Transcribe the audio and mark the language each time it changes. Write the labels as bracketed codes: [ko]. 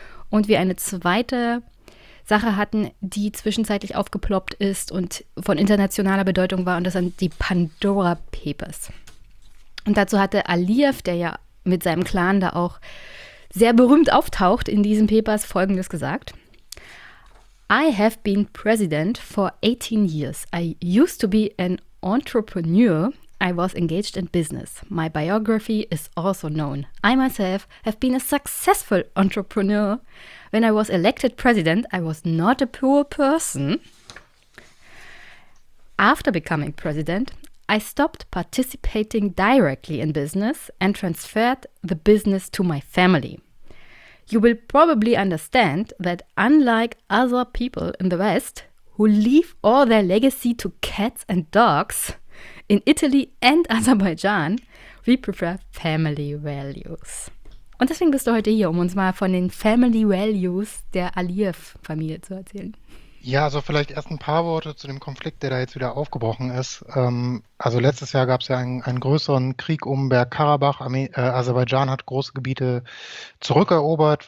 [de] Und wir eine zweite Sache hatten, die zwischenzeitlich aufgeploppt ist und von internationaler Bedeutung war. Und das sind die Pandora Papers. Und dazu hatte Aliyev, der ja mit seinem Clan da auch sehr berühmt auftaucht in diesen Papers, Folgendes gesagt. [en] I have been president for 18 years. I used to be an entrepreneur. I was engaged in business. My biography is also known. I myself have been a successful entrepreneur. When I was elected president, I was not a poor person. After becoming president, I stopped participating directly in business and transferred the business to my family. You will probably understand that unlike other people in the West who leave all their legacy to cats and dogs, in Italy and Azerbaijan, we prefer family values. [de] Und deswegen bist du heute hier, um uns mal von den Family Values der Aliyev-Familie zu erzählen. Ja, also vielleicht erst ein paar Worte zu dem Konflikt, der da jetzt wieder aufgebrochen ist. Also letztes Jahr gab es ja einen größeren Krieg um Bergkarabach. Aserbaidschan hat große Gebiete zurückerobert.